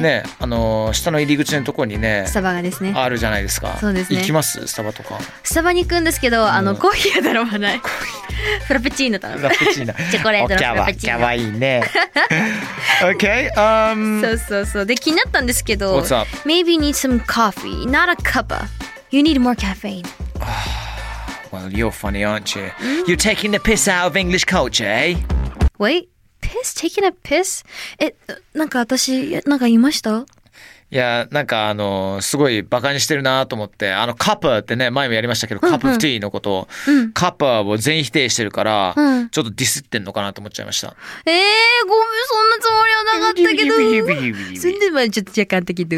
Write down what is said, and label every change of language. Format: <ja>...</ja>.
<ja>ね、下の入り口のところにね、スタバがですね、あるじゃないですか。そうですね。行きます、スタバとか。スタバに行くんですけど、コーヒーは頼まない。コーヒーフラペチーノ頼む。フラペチーノチョコレートのフラペチーノ。おかわいいね。OK、そうそうそう。で、気になったんですけど、</ja> <en>What's up? Maybe you need some coffee, not a cuppa. You need more caffeine. Well, you're funny, aren't you? You're taking the piss out of English culture, eh? Wait, piss? Taking a piss?</en> <ja>なんか私、なんか言いました？いや、なんかすごいバカにしてるなと思って、カッパーってね、前もやりましたけど、カップオフティーのことを、カッパーを全否定してるから、ちょっとディスってんのかなと思っちゃいました。ごめん、そんなつもりはなかったけど、全然まあちょっと若干的で、</ja>